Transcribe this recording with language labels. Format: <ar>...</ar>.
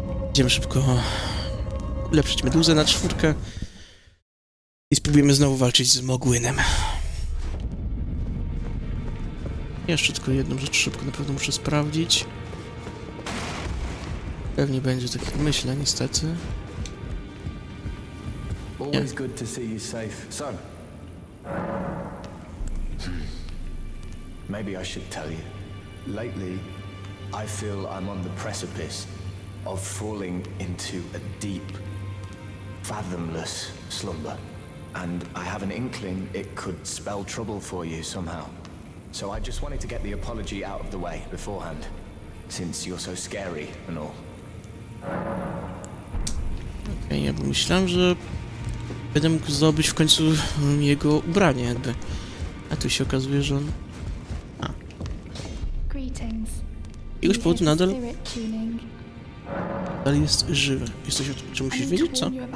<pl>Idziemy szybko ulepszyć meduzę na czwórkę. I spróbujemy znowu walczyć z Mogłynem. Jeszcze tylko jedną rzecz szybko na pewno muszę sprawdzić. Pewnie będzie takie myślę, niestety.</pl> <en>Always good to see you safe. So. Maybe I should tell you. Lately, I feel I'm on the precipice of falling into a deep, fathomless slumber. And I have an inkling it could spell trouble for you somehow. So I just wanted to get the apology out of the way beforehand, since you're so scary and all.</en> <pl>Okej, ja myślałem, że będę mógł zdobyć w końcu jego ubranie, jakby. A tu się okazuje, że on... A. Z jakiegoś powodu nadal... Nadal jest żywy. Jesteś o tym, czy musisz wiedzieć, co?</pl>